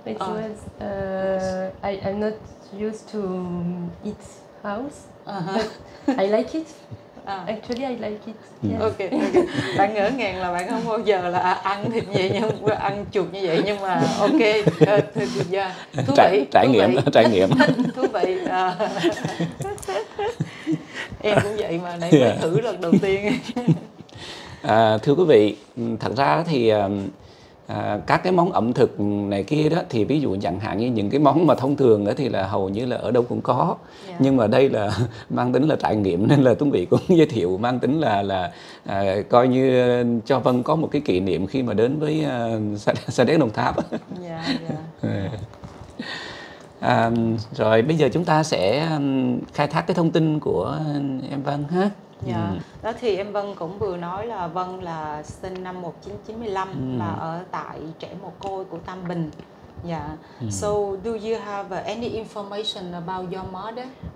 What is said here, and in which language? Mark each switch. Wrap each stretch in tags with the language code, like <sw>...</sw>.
<en>It was I'm not used to eat house. Uh-huh. I like it. Actually, I like it. Yeah. Okay.</en> <vi>Bạn ngỡ ngàng là bạn không bao giờ là ăn thịt như vậy, nhưng ăn chuột như vậy, nhưng mà okay. Thú vị. Trải nghiệm. Thú vị. Em cũng vậy mà, nãy mới thử lần đầu tiên. Thưa quý vị, thật ra thì các cái món ẩm thực này kia đó thì ví dụ chẳng hạn như những cái món mà thông thường đó thì là hầu như là ở đâu cũng có. Yeah. Nhưng mà đây là mang tính là trải nghiệm, nên là Tuấn Bị cũng giới thiệu mang tính là coi như cho Vân có một cái kỷ niệm khi mà đến với Sa Đéc Đồng Tháp. Yeah, yeah. Rồi bây giờ chúng ta sẽ khai thác cái thông tin của em Vân ha. Dạ. Đó thì em Vân cũng vừa nói là Vân là sinh năm 1995 và ở tại trẻ mồ côi của Tam Bình. Dạ.</vi> <en>So do you have any information about your mother?</en>